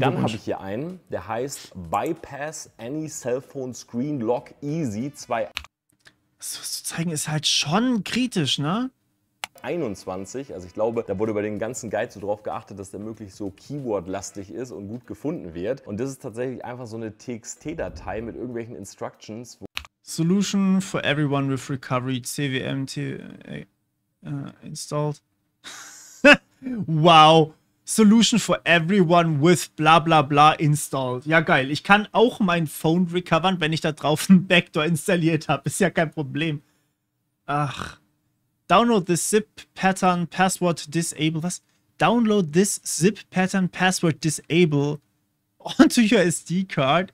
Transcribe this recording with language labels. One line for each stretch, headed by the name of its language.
German: Dann habe ich hier einen, der heißt Bypass Any Cellphone Screen Lock Easy 2. Das, was zu zeigen, ist halt schon kritisch, ne? 21, also ich glaube, da wurde bei den ganzen Guides so drauf geachtet, dass der möglichst so Keyword-lastig ist und gut gefunden wird. Und das ist tatsächlich einfach so eine TXT-Datei mit irgendwelchen Instructions.
English: Solution for everyone with recovery, CVM installed. Wow, Solution for everyone with bla bla bla installed.
German: Ja, geil. Ich kann auch mein Phone recovern, wenn ich da drauf einen Backdoor installiert habe. Ist ja kein Problem. Ach.
English: Download this zip pattern password disable.
German: Was?
English: Download this zip pattern password disable onto your SD card.